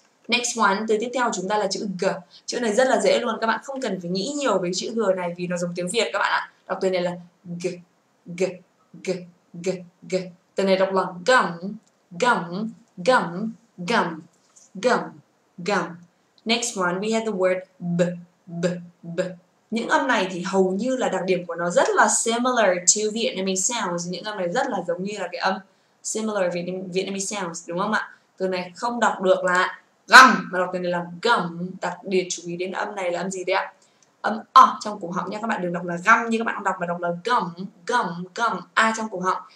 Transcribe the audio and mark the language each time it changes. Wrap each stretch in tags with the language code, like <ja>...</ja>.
<en>Next one,</en> <vi>từ tiếp theo chúng ta là chữ G. Chữ này rất là dễ luôn, các bạn không cần phải nghĩ nhiều về chữ G này vì nó giống tiếng Việt các bạn ạ. Đọc từ này là G, G, G. G, g. Từ này đọc là gum, gum, gum, gum, gum, gum.</vi> <en>Next one, we have the word b, b, b.</en> <vi>Những âm này thì hầu như là đặc điểm của nó rất là</vi> <en>similar to Vietnamese sounds.</en> <vi>Những âm này rất là giống như là cái âm</vi> <en>similar Vietnamese sounds,</en> <vi>đúng không ạ? Từ này không đọc được là gum, mà đọc từ này là gum. Đặc biệt chú ý đến âm này là âm gì đấy ạ? Âm o trong cổ họng nha, các bạn đừng đọc là găm như các bạn đọc, mà đọc là gầm gầm gầm a trong cổ họng.</vi>